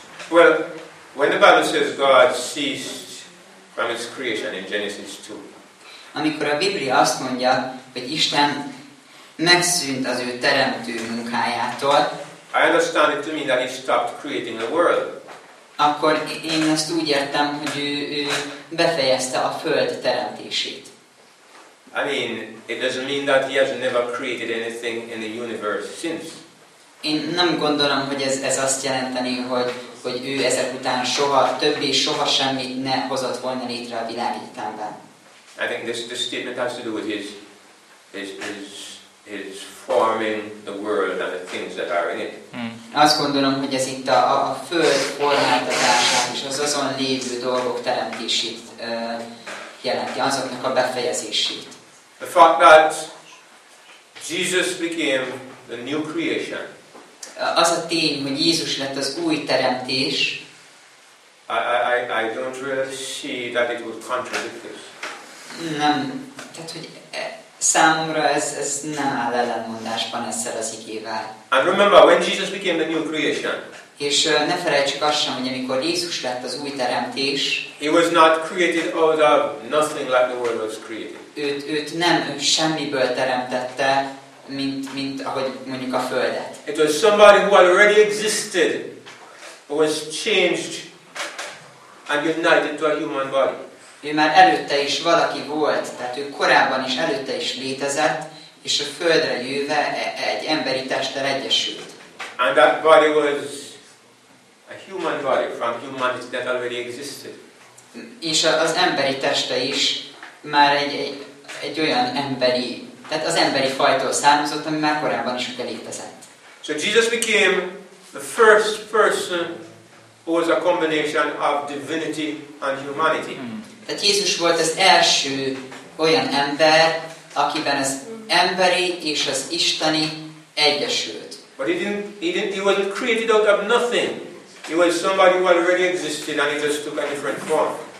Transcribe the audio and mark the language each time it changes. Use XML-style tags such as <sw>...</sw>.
<en>Well, when the Bible says God ceased from his creation in Genesis 2.</en> <hu>Amikor a Biblia azt mondja, hogy Isten megszűnt az ő teremtő munkájától.</hu> <en>I understand it to mean that he stopped creating the world.</en> <hu>Akkor én azt úgy értem, hogy ő befejezte a föld teremtését.</hu> <en>I mean, it doesn't mean that he has never created anything in the universe since.</en> <hu>Én nem gondolom, hogy ez azt jelenteni, hogy ő ezek után soha többé soha semmit ne hozott volna létre a világ egyetemben.</hu> <en>I think this statement has to do with his forming the world and the things that are in it.</en> <hu>Azt gondolom, hogy ez itt a föld formáltatását és az azon lévő dolgok teremtését jelenti, azoknak a befejezését.</hu> <en>The fact that Jesus became the new creation.</en> <hu>Az a tény, hogy Jézus lett az új teremtés.</hu> <en>I don't really see that it would contradict this.</en> <hu>Nem, tehát hogy számomra ez nem áll ellenmondásban ezzel az igével.</hu> <en>And remember, when Jesus became the new creation.</en> <hu>És ne felejtsük azt sem, hogy amikor Jézus lett az új teremtés.</hu> <en>He was not created out of nothing like the world was created.</en> <hu>Őt nem semmiből teremtette, mint ahogy mondjuk a földet.</hu> <en>It was somebody who already existed, but was changed and united to a human body.</en> <hu>Ő már előtte is valaki volt, tehát ő korábban is előtte is létezett, és a földre jöve egy emberi testtel egyesült.</hu> <en>And that body was a human body from humanity that already existed.</en> <hu>És az emberi teste is már egy olyan emberi, tehát az emberi fajtól származott, ami már korábban is létezett.</hu> <en>So Jesus became the first person who was a combination of divinity and humanity.</en> <hu>Tehát Jézus volt az első olyan ember, akiben az emberi és az isteni egyesült.</hu> <en>But he wasn't created out of nothing. He was somebody who already existed and he just took a different form.</en>